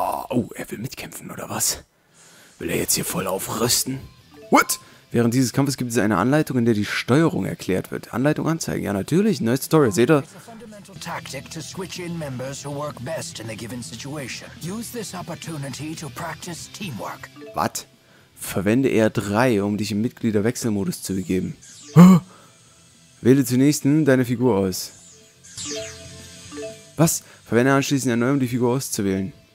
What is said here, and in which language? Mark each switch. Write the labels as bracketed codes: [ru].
[de] Oh, er will mitkämpfen, oder was? Will er jetzt hier voll aufrüsten? [en] What? [de] Während dieses Kampfes gibt es eine Anleitung, in der die Steuerung erklärt wird. Anleitung anzeigen. Ja, natürlich. Neues Tutorial. Seht ihr? [en] Taktik, to switch in members who work best in a given situation. Use this opportunity to practice teamwork. What? [de] Verwende R3, um dich im Mitgliederwechselmodus zu begeben. Wähle zunächst deine Figur aus. Was? Verwende anschließend R9, um die Figur auszuwählen.